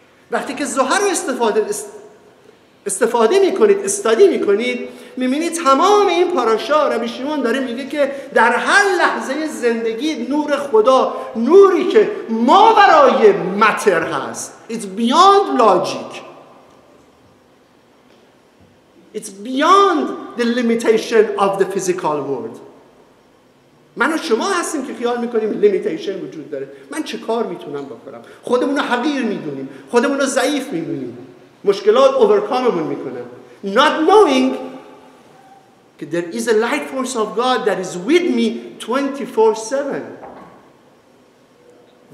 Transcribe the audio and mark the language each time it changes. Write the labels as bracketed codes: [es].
[fa] وقتی که زهر رو استفاده میکنید، استادی میکنید، میبینید تمام این پاراشا ربی شیمون داره میگه که در هر لحظه زندگی نور خدا، نوری که ما برای متر هست، [en] It's beyond logic. It's beyond the limitation of the physical world. [fa] من و شما هستیم که خیال میکنیم limitation وجود داره. من چه کار میتونم بکنم؟ خودمونو حقیر میدونیم، خودمونو ضعیف میدونیم، مشکلات overcomeمون میکنه. [en] Not knowing [fa] که [en] there is a light force of God that is with me 24/7.